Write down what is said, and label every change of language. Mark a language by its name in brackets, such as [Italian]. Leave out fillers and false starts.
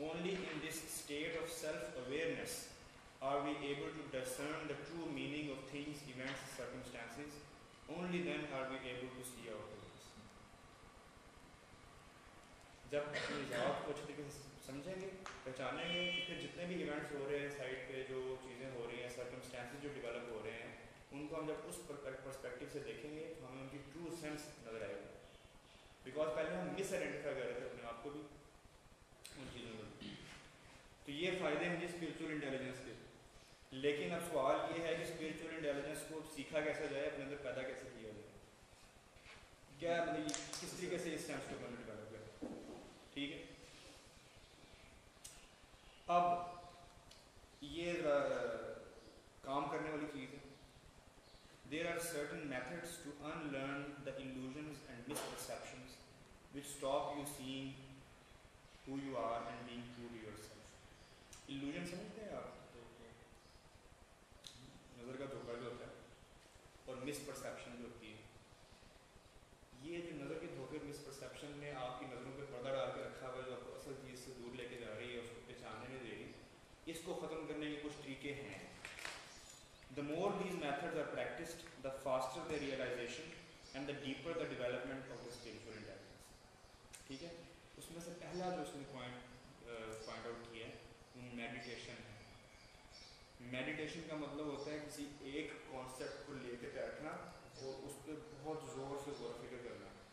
[English] Only in this state of self awareness are we able to discern the true meaning of things events circumstances, only then are we able to see our purpose. [Urdu] جب اپنی ذات کو اچھے طریقے سے سمجھیں گے, پہچانیں گے, پھر جتنے بھی ایونٹس ہو رہے ہیں سائڈ پہ, جو چیزیں ہو رہی ہیں, سرکمسٹانسز جو ڈیولپ ہو رہے ہیں, ان کو ہم جب اس پرسپیکٹیو سے دیکھیں گے تو ہمیں ان کی ٹرو سینس نظر آئے گا. بیکاز پہلے ہم مس آئیڈینٹیفائی کر رہے تھے اپنے آپ کو بھی ان چیزوں میں. تو یہ فائدے ہیں اسپریچول انٹیلیجنس کے. لیکن اب سوال یہ ہے کہ اسپریچول انٹیلیجنس کو سیکھا کیسے جائے, اپنے اندر پیدا کیسے کیا جائے, کیا مطلب کس طریقے سے اس سینس کو ڈیولپ کرے. ٹھیک ہے, اب یہ کام کرنے والی چیز ہے. [English] There are certain methods to unlearn the illusions and misperceptions which stop you seeing who you are and being true to yourself. [Urdu] Illusion سمجھتے ہیں آپ, نظر کا دھوکہ جو ہوتا ہے اور مس پرسپشن جو ہوتی ہے, یہ جو نظر کے دھوکے مس پرسپشن نے آپ کی نظروں پہ پردہ ڈال کے رکھا ہوا ہے, جو آپ کو اصل چیز سے دور لے کے جا رہی ہے, اس کو پہچاننے نہیں دے رہی, اس کو ختم کرنے کے کچھ طریقے ہیں. [English] The more these methods are practised the faster the realisation and the deeper the development of the spiritual intelligence. [Urdu] ٹھیک ہے, اس میں سے پہلا جو اس نے پوائنٹ آؤٹ کیا ہے وہ میڈیٹیشن ہے. میڈیٹیشن کا مطلب ہوتا ہے کسی ایک کانسیپٹ کو لے کے بیٹھنا اور اس پہ بہت زور سے غور فکر کرنا.